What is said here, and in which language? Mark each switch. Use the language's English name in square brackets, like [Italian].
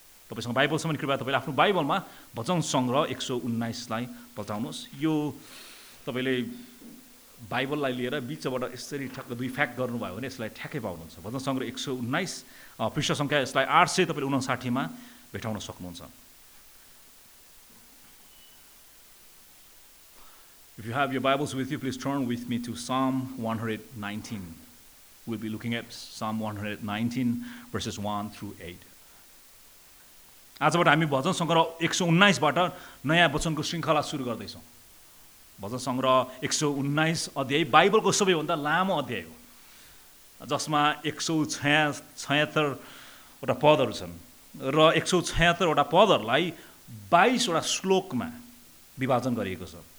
[Nepali] तपाईँसँग बाइबल सम्बन्धी कृपया, तपाईँले आफ्नो बाइबलमा भजन सङ्ग्रह 119 बताउनुहोस्। यो तपाईँले बाइबललाई लिएर बिचबाट यसरी ठ्याक्क दुई फ्याक गर्नुभयो भने यसलाई ठ्याक्कै पाउनुहुन्छ। भजन सङ्ग्रह 119 पृष्ठ सङ्ख्या यसलाई 859 भेटाउन सक्नुहुन्छ। [English] If you have your Bibles with you, please turn with me to Psalm 119. We'll be looking at Psalm 119, verses 1 through 8. [Nepali] आजबाट हामी भजन सङ्ग्रह 119 नयाँ वचनको श्रृङ्खला सुरु गर्दैछौँ। भजन सङ्ग्रह 119 अध्याय बाइबलको सबैभन्दा लामो अध्याय हो, जसमा 176 पदहरू छन् र 176 पदहरूलाई 22 श्लोकमा विभाजन गरिएको छ।